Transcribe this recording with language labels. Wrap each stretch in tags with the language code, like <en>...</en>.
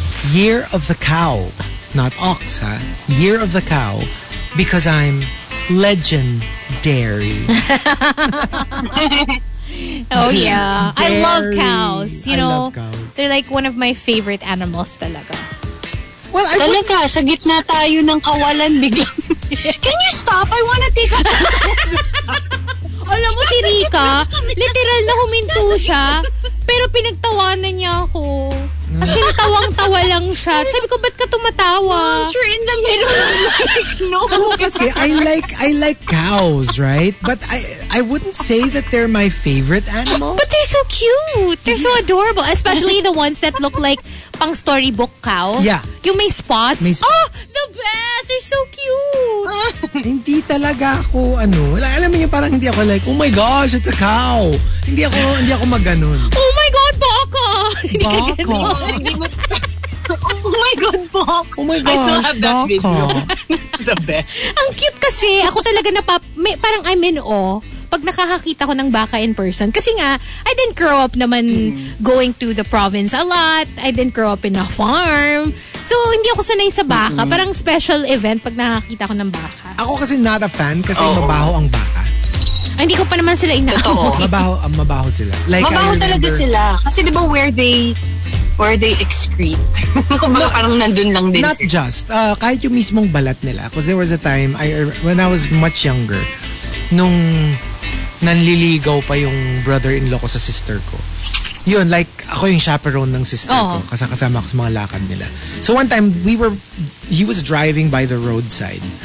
<en>year of the cow. Not ox,</en> <tl>ha?</tl> <en>Year of the cow. Because I'm legendary. Oh, yeah. I love cows. You know, cows. They're like one of my favorite animals</en> <tl>talaga.</tl> <en>Well, I</en> <tl>talaga,</tl> <en>would...</en> <tl>sa gitna tayo ng kawalan, biglang...</tl> <en>Can you stop? I wanna take a...</en> <tl>Alam mo, si Rica, literal na huminto siya, pero pinagtawanan niya ako. Kasi natawang-tawa lang siya. Sabi ko, ba't ka tumatawa?</tl> <en>Sure, in the middle of like, no.</en> <tl>Ako kasi,</tl> <en>I like cows, right? But I wouldn't say that they're my favorite animal. But they're so cute. They're so adorable. Especially the ones that look like pang storybook cow. Yeah.</en> <tl>Yung may</tl> <en>spots. May spots. Oh, the best! They're so cute.</en> <tl>Hindi talaga ako, ano. Alam mo yung parang hindi ako like,</tl> <en>oh my gosh, it's a cow.</en> <tl>Hindi ako mag-ganun.</tl> <en>Oh my God, baka!</en> <tl>Baka.</tl> <en>Oh my God, Bok. Oh my gosh, Bok. It's the best.</en> <tl>Ang cute kasi, ako talaga na parang</tl> <en>I'm in awe</en> <tl>pag nakakakita ko ng baka</tl> <en>in person.</en> <tl>Kasi nga,</tl> <en>I didn't grow up naman going to the province a lot. I didn't grow up in a farm.</en> <tl>So, hindi ako sanay sa baka. Mm-hmm. Parang special event pag nakakita ko ng baka. Ako kasi</tl> <en>not a fan</en> <tl>kasi mabaho ang baka. Ay, hindi ko pa naman sila inaamoy. mabaho sila. Like, mabaho talaga sila. Kasi di ba</tl> <en>where they excrete?</en> <tl>Kumbaga no, parang nandun lang din.</tl> <en>Not</en> <tl>sila.</tl> <en>Just. Kahit yung mismong balat nila. Because there was a time, when I was much younger,</en> <tl>nung nanliligaw pa yung</tl> <en>brother-in-law</en> <tl>ko sa sister ko. Yun, like, ako yung chaperone ng sister ko. Kasama ko sa mga lakad nila.</tl> <en>So one time, he was driving by the roadside.</en>